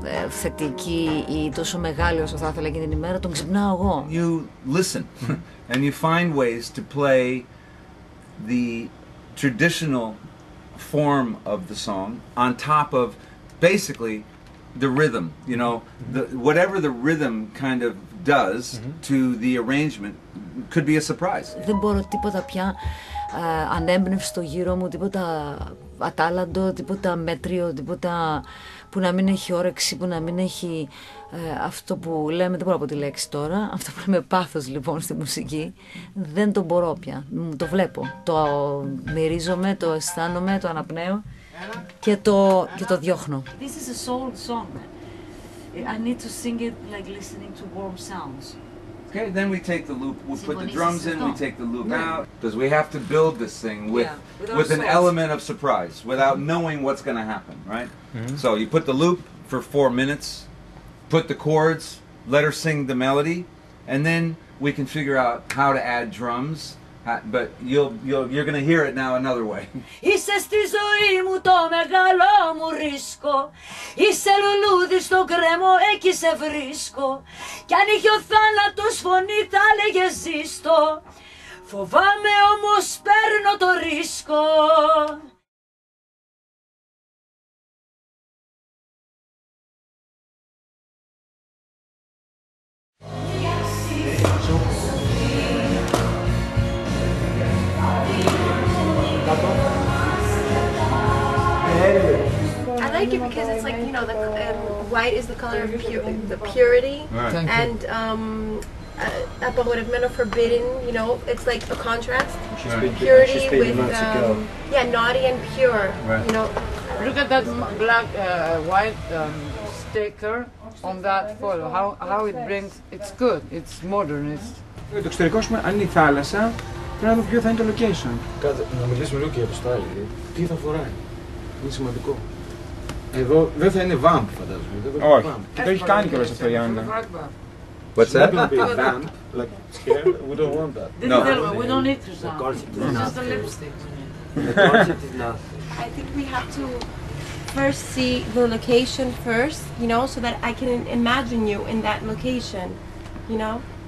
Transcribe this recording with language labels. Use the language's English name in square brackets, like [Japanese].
[Greek] θετική ή τόσο μεγάλη όσο θα ήθελα εκείνη την ημέρα, τον ξυπνάω εγώ. [English] You listen and you find ways to play the traditional form of the song on top of basically the rhythm, you know, the, whatever the rhythm kind of does to the arrangement could be a surprise. [Greek] Δεν μπορώ τίποτα πια ανέμπνευστο γύρω μου, τίποτα ατάλλαντο, τίποτα μέτριο, τίποτα που να μην έχει όρεξη, που να μην έχει αυτό που λέμε, δεν μπορώ να πω τη λέξη τώρα, αυτό που λέμε πάθος λοιπόν στη μουσική, δεν το μπορώ πια, το βλέπω, το μυρίζομαι, το αισθάνομαι, το αναπνέω. Και το, και το διώχνω. [English] This is a soul song. I need to sing it like listening to warm sounds. Okay, then we take the loop. We put the drums in, we take the loop out. Because we have to build this thing with, with an element of surprise, without knowing what's going to happen, right? Mm-hmm. So you put the loop for 4 minutes, put the chords, let her sing the melody, and then we can figure out how to add drums. But you're gonna hear it now another way. [Greek] Είσαι στη ζωή μου το μεγάλο μου ρίσκο. Είσαι λουλούδι στο κρέμο, εκεί σε βρίσκω. Κι αν είχε ο θάνατος φωνή θα έλεγε ζήστο. Φοβάμαι όμως παίρνω το ρίσκο. [English] I like it because it's like, you know, the white is the color of the purity, right. And Apagoreumeno forbidden, you know, it's like a contrast. Purity with, naughty and pure, you know. Look at that black, white sticker on that photo, how it brings, it's good, it's modernist. [Greek] Το εξωτερικό, αν είναι η θάλασσα, πρέπει να δούμε ποιο θα είναι το location. Να μιλήσουμε λίγο και για το style, τι θα φοράει, είναι σημαντικό. Εδώ δεν θα είναι vamp, φαντάζομαι. Όχι. Και το έχει κάνει κιόλας αυτό η Άννα. [English] What's that? Vamp, like, scare, we don't want that. No. We don't need to vamp. It's just a lipstick. The corset is nothing. I think we have to first see the location first, you know, so that I can imagine you in that location, you know?